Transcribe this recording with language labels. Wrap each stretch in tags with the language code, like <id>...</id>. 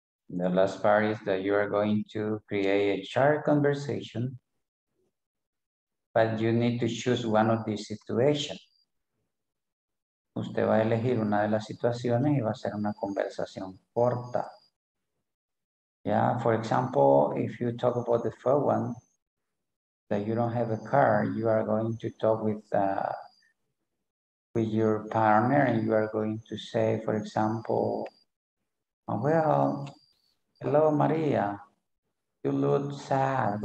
<en>The last part is that you are going to create a chart conversation, but you need to choose one of these situations.</en> <es>Usted va a elegir una de las situaciones y va a hacer una conversación corta.</es> <en>Yeah, for example, if you talk about the first one, that you don't have a car, you are going to talk with your partner and you are going to say, for example, well, hello, Maria, you look sad.</en>